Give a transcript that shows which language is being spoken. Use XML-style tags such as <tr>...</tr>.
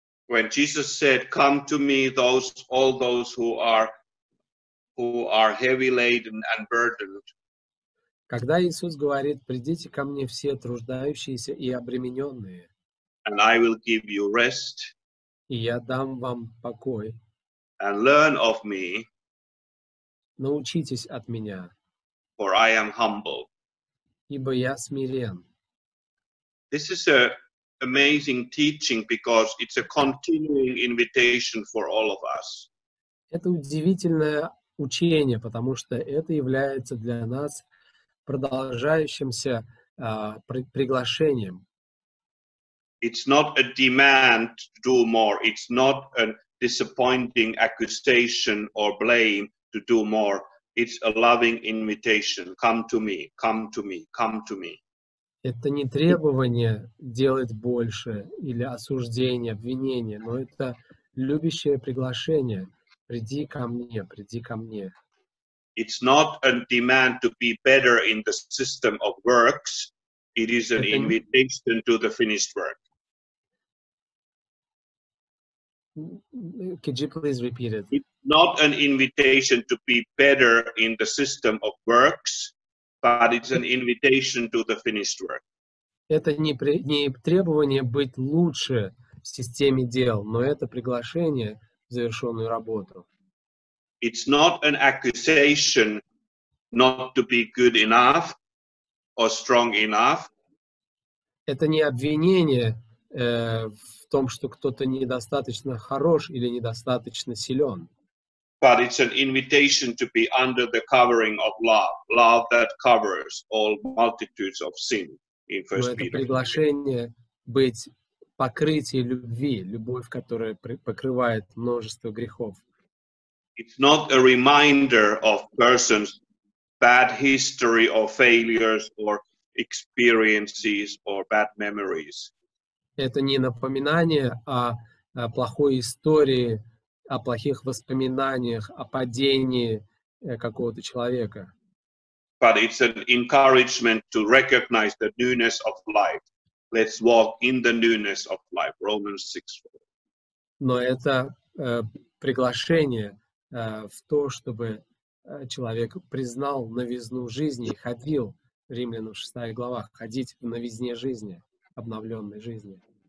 <en>When Jesus said, "Come to me, all those who are heavy laden and burdened."</en> <ru>Когда Иисус говорит, придите ко мне все труждающиеся и обремененные.</ru> <en>And I will give you rest.</en> <ru>И я дам вам покой.</ru> <en>And learn of me.</en> <ru>Научитесь от меня.</ru> <en>For I am humble.</en> <ru>Ибо я смирен.</ru> <en>This is an amazing teaching because it's a continuing invitation for all of us.</en> <ru>Это удивительное учение, потому что это является для нас продолжающимся приглашением.</ru> <en>It's not a demand to do more. It's not a disappointing accusation or blame to do more. It's a loving invitation. Come to me. Come to me. Come to me.</en> <ru>Это не требование делать больше или осуждение, обвинение, но это любящее приглашение. Приди ко мне. Приди ко мне.</ru> <en>It's not a demand to be better in the system of works. It is an invitation to the finished work. Could you please repeat it? not an invitation to be better in the system of works, but it's an invitation to the finished work.</en> <ru>Это не требование быть лучше в системе дел, но это приглашение в завершенную работу.</ru> <en>It's not an accusation not to be good enough or strong enough.</en> <ru>Это не обвинение в том, что кто-то недостаточно хорош или недостаточно силен.</ru> <en>But it's an invitation to be under the covering of love, love that covers all multitudes of sin.</en> <ru>Это приглашение быть покрытием любви, любовь, которая покрывает множество грехов.</ru> <en>It's not a reminder of person's bad history or failures or experiences or bad memories.</en> <ru>Это не напоминание о плохой истории, о плохих воспоминаниях, о падении какого-то человека.</ru> <en>But it's an encouragement to recognize the newness of life. Let's walk in the newness of life. Romans 6:4.</en> <ru>Но это приглашение в то, чтобы человек признал новизну жизни и ходил, Римлянам 6 глава, ходить в новизне жизни, обновленной жизни.</ru>